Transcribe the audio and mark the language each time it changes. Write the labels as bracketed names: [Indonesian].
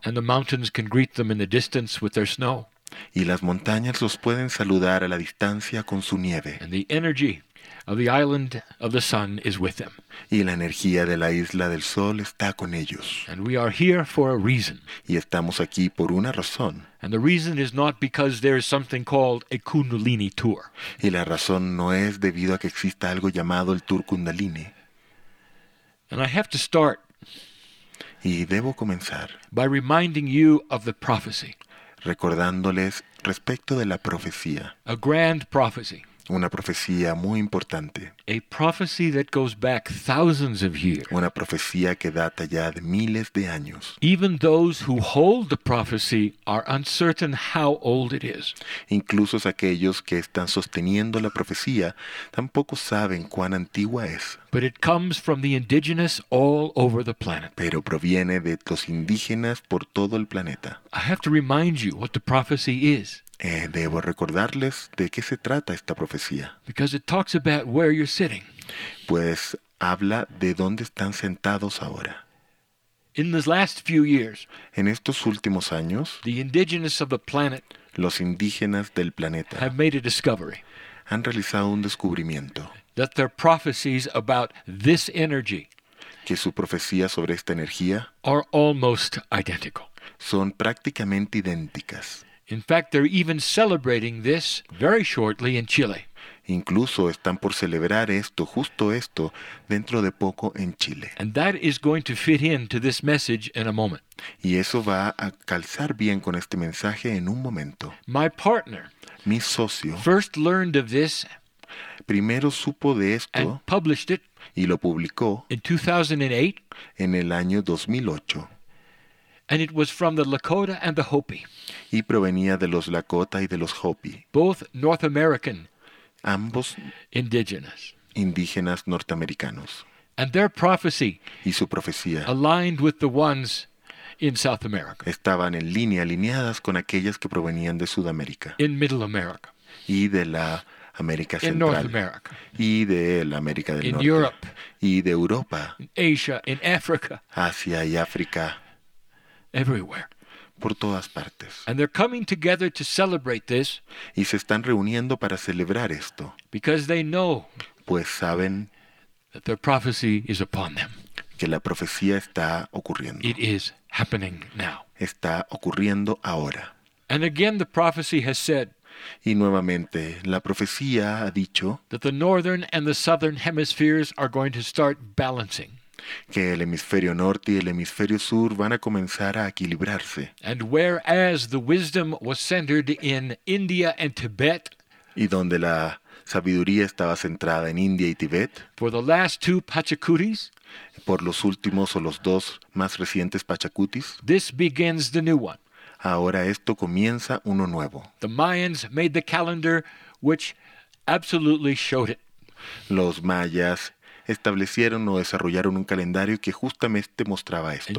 [English] and the mountains can greet them in the distance with their snow, [Spanish] y las montañas los pueden saludar a la distancia con su nieve, [English] and the energy of the island of the sun is with them, [Spanish] y la energía de la isla del sol está con ellos, [English] and we are here for a reason, [Spanish] y estamos aquí por una razón. [English] And the reason is not because there is something called a Kundalini tour. [Spanish] Y la razón no es debido a que exista algo llamado el tour Kundalini. [English] And I have to start. [Spanish] Y debo comenzar. [English] By reminding you of the prophecy. [Spanish] Recordándoles respecto de la profecía. [English] A grand prophecy. [Spanish] Una profecía muy importante. [English] A prophecy that goes back thousands of years. [Spanish] Una profecía que data ya de miles de años. [English] Even those who hold the prophecy are uncertain how old it is. [Spanish] Incluso aquellos que están sosteniendo la profecía tampoco saben cuán antigua es. [English] But it comes from the indigenous all over the planet. [Spanish] Pero proviene de los indígenas por todo el planeta. [English] I have to remind you what the prophecy is. [Spanish] Debo recordarles de qué se trata esta profecía. [English] Because it talks about where you're sitting. [Spanish] Pues habla de dónde están sentados ahora. [English] In these last few years, [Spanish] en estos últimos años, [English] the indigenous of the planet, [Spanish] los indígenas del planeta, [English] have made a discovery. [Spanish] Han realizado un descubrimiento. [English] That their prophecies about this energy, [Spanish] que su profecía sobre esta energía, [English] are almost identical. [Spanish] Son prácticamente idénticas. [English] In fact, they're even celebrating this very shortly in Chile. [Spanish] Incluso están por celebrar esto, justo esto, dentro de poco en Chile. [English] And that is going to fit in to this message in a moment. [Spanish] Y eso va a calzar bien con este mensaje en un momento. [English] My partner, [Spanish] mi socio, [English] first learned of this, [Spanish] primero supo de esto, [English] and published it, [Spanish] y lo publicó, [English] in 2008, [Spanish] en el año 2008. [English] And it was from the Lakota and the Hopi. [Spanish] Y provenía de los Lakota y de los Hopi. [English] Both North American. [Spanish] Ambos [English] indigenous. [Spanish] Indígenas norteamericanos. [English] And their prophecy. [Spanish] Y su profecía. [English] Aligned with the ones in South America. [Spanish] Estaban en línea, alineadas con aquellas que provenían de Sudamérica. [English] In Middle America. [Spanish] Y de la América in Central, [English] North America, [Spanish] y de la América del in Norte, [English] Europe, [Spanish] y de Europa, [English] in Asia, in Africa, [Spanish] Asia y África, [English] everywhere, [Spanish] por todas partes. [English] And they're coming together to celebrate this, [Spanish] y se están reuniendo para celebrar esto, [English] because they know, [Spanish] pues saben, [English] that their prophecy is upon them, [Spanish] que la profecía está ocurriendo. [English] It is happening now. [Spanish] Está ocurriendo ahora. [English] And again the prophecy has said, [Spanish] y nuevamente la profecía ha dicho, [English] that the northern and the southern hemispheres are going to start balancing, [Spanish] que el hemisferio norte y el hemisferio sur van a comenzar a equilibrarse. [English] And whereas the wisdom was centered in India and Tibet, [Spanish] y donde la sabiduría estaba centrada en India y Tibet, [English] for the last two Pachacutis, [Spanish] por los últimos o los dos más recientes Pachacutis, [English] this begins the new one. [Spanish] Ahora esto comienza uno nuevo. [English] The Mayans made the calendar which absolutely showed it. [Spanish] Los mayas establecieron o desarrollaron un calendario que justamente mostraba esto.